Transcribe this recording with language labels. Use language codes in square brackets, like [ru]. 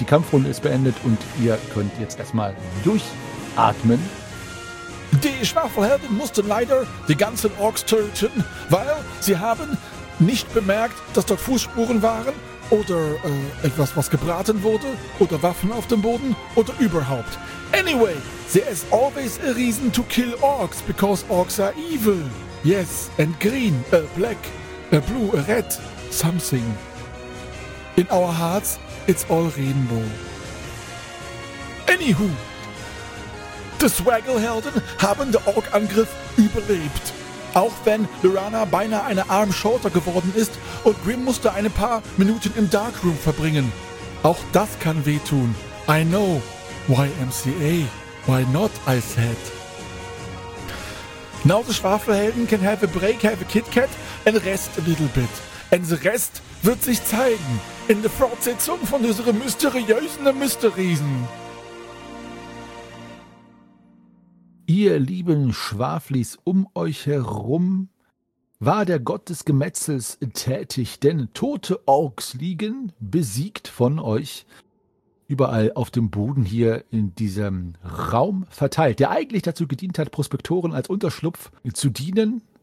[de] Die Kampfrunde ist beendet und ihr könnt jetzt erstmal durchatmen. Die Schwafelhelden mussten leider die ganzen Orks töten, weil sie haben nicht bemerkt, dass dort Fußspuren waren. Oder etwas, was gebraten wurde, oder Waffen auf dem Boden, oder überhaupt. [en] Anyway, there is always a reason to kill orcs, because orcs are evil. Yes, and green, black, blue, red, something. In our hearts, it's all rainbow. Anywho, the [de] Swagglehelden haben den Ork-Angriff überlebt. Auch wenn Lorana beinahe eine Arm shorter geworden ist und Grim musste ein paar Minuten im Darkroom verbringen. Auch das kann wehtun. [en] I know. YMCA. Why not, I said. Now the Schwafelhelden can have a break, have a Kit-Kat and rest a little bit. And the rest [de] wird sich zeigen in der Fortsetzung von unseren mysteriösen Mysteriesen. Ihr lieben Schwaflis, um euch herum war der Gott des Gemetzels tätig, denn tote Orks liegen, besiegt von euch, überall auf dem Boden hier in diesem Raum verteilt, der eigentlich dazu gedient hat, Prospektoren als Unterschlupf zu dienen.